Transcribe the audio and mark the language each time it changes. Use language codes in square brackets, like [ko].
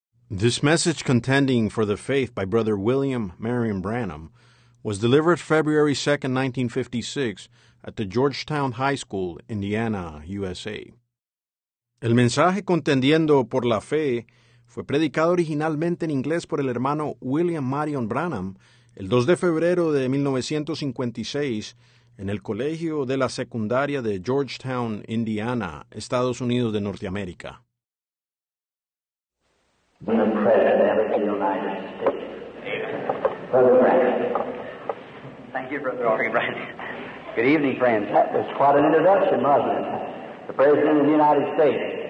[en] This message, Contending for the Faith, by Brother William Marion Branham, was delivered February 2, 1956, at the Georgetown High School, Indiana, USA. [es] El mensaje Contendiendo por la Fe fue predicado originalmente en inglés por el hermano William Marion Branham el 2 de febrero de 1956 en el Colegio de la Secundaria de Georgetown, Indiana, Estados Unidos de Norteamérica. [en] In the President of the United States. Amen. Brother Brandon. Thank you, Brother Aubrey Brandon. Good evening, friends. That was quite an introduction, wasn't it? The President of the United States.